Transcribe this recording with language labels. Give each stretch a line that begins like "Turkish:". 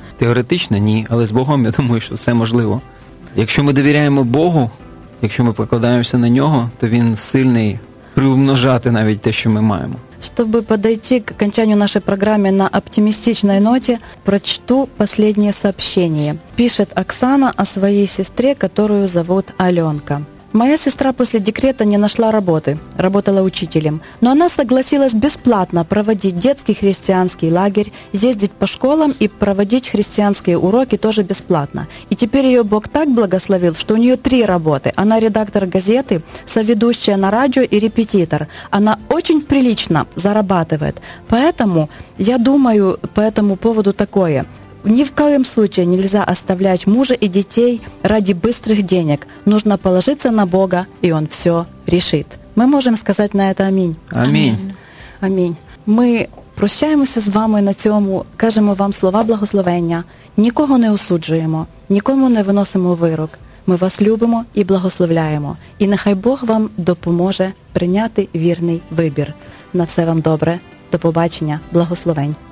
Ukrainian: Теоретично ні, але з Богом я думаю, що все можливо. Якщо ми довіряємо Богу, якщо ми покладаємося на нього, то він сильний приумножати навіть те, що ми маємо. Щоб підійти до кінчання нашої програми на оптимістичній ноті, прочту останнє сообщення. Пише Оксана о своїй сестрі, яку звуть Альонка.
Russian: Моя сестра после декрета не нашла работы, работала учителем, но она согласилась бесплатно проводить детский христианский лагерь, ездить по школам и проводить христианские уроки тоже бесплатно. И теперь ее Бог так благословил, что у нее три работы. Она редактор газеты, соведущая на радио и репетитор. Она очень прилично зарабатывает. Поэтому я думаю по этому поводу такое. Ни в коем случае нельзя оставлять мужа и детей ради быстрых денег. Нужно положиться на Бога, и Он все решит. Мы можем сказать на это аминь. Аминь. Аминь. Мы прощаемся с вами
Ukrainian: на цьому, кажемо вам
Russian: слова благословения.
Ukrainian: Нікого не осуджуємо, нікому не виносимо вирок. Ми вас любимо і благословляємо. І нехай Бог вам допоможе прийняти вірний вибір. На все вам добре. До побачення. Благословень.